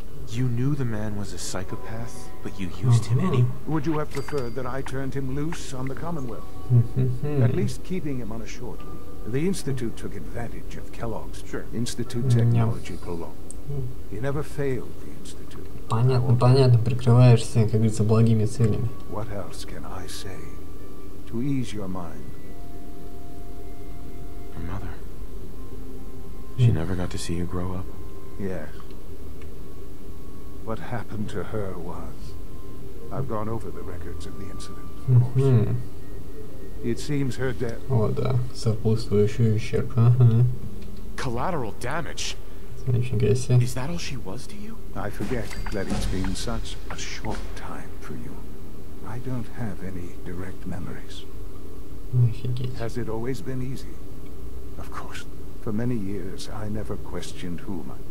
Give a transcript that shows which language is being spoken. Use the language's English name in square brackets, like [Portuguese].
[English] You knew the man was a psychopath, but you used him anyway. Would you have preferred that I turned him loose on the Commonwealth? At least keeping him on a short leash. The Institute took advantage of Kellogg's Institute technology prolonged. He never failed the Institute. [Russian] Понятно, понятно, прикрываешься, как говорится, благими целями. [English] What else can I say to ease your mind? Your mother. She never got to see you grow up. Yes. What happened to her was, I've gone over the records of the incident, of course. It seems her death... [Russian] О, да, сопутствующий ущерб, [English] Collateral damage? [Russian] Нифига себе. [English] Is that all she was to you? I forget that it's been such a short time for you. I don't have any direct memories. [Russian] Нифигеть. [English] Has it always been easy? Of course. For many years, I never questioned whom.